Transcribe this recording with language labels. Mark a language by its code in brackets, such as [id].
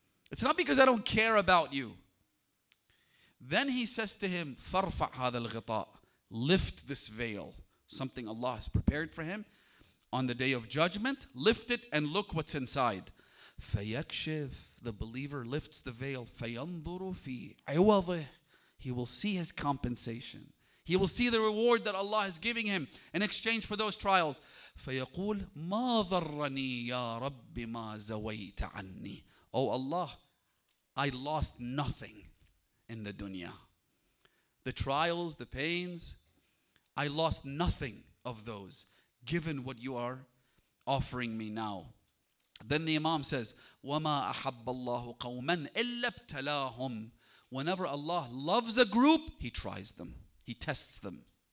[en] It's not because I don't care about you Then he says to him, [ar] فَارْفَعْ هَذَا الْغِطَاءِ [en] Lift this veil, something Allah has prepared for him. On the day of judgment, lift it and look what's inside. [ar] فَيَكْشِفْ [en] The believer lifts the veil. [ar] فَيَنْظُرُ فِي عِوَضِهِ [en] He will see his compensation. He will see the reward that Allah is giving him in exchange for those trials. [ar] فَيَقُولْ مَا ضَرَّنِي يَا رَبِّ مَا زَوَيْتَ عَنِّي [en] Oh Allah, I lost nothing. In the dunya. The trials, the pains, I lost nothing of those given what you are offering me now. Then the Imam says, [ar] وَمَا أَحَبَّ اللَّهُ قَوْمًا إِلَّا ابْتَلَاهُمْ [en] Whenever Allah loves a group, He tries them, He tests them.